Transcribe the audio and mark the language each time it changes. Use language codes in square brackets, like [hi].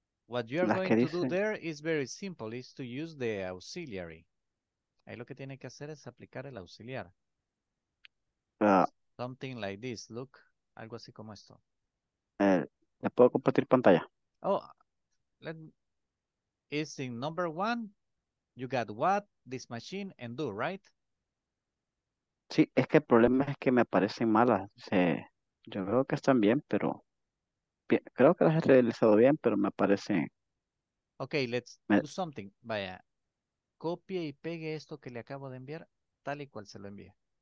[en] What you're going to do there is very simple. Is to use the auxiliary. [es] Ahí lo que tiene que hacer es aplicar el auxiliar. [en] Something like this. Look. [es] Algo así como esto. ¿Le puedo compartir pantalla? [en] Oh, is in number one, you got what, this machine, and do, right? [es] Sí, es que el problema es que me aparecen malas. Sí, yo veo que están bien, pero bien, creo que las he realizado bien, pero me aparecen. [en] Okay, do something. [es] Vaya, copie y pegue esto que le acabo de enviar, tal y cual se lo envíe.